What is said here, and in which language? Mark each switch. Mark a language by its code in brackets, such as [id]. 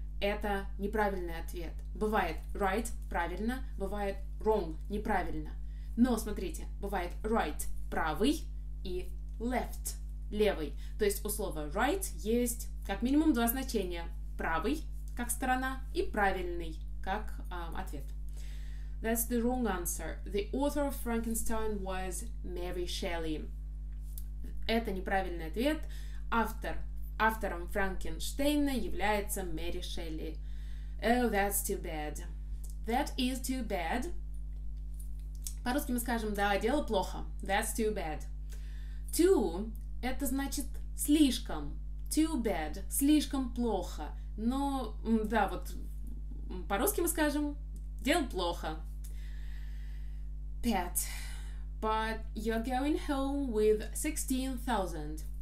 [ru] Это неправильный ответ. Бывает right — правильно, бывает wrong — неправильно. Но, смотрите, бывает right — правый и left — левый. То есть у слова right есть как минимум два значения. Правый — как сторона и правильный — как ответ. [en] That's the wrong answer. The author of Frankenstein was Mary Shelley. [ru] Это неправильный ответ. Автором Франкенштейна является Мэри Шелли. [en] Oh, that's too bad. That is too bad. [ru] По-русски мы скажем, да, дело плохо. [en] That's too bad. [ru] Too — это значит слишком. [en] too bad, [ru] слишком плохо. Но, да, вот по-русски мы скажем, дел плохо. [en] Pat, but you're going home with 16,000.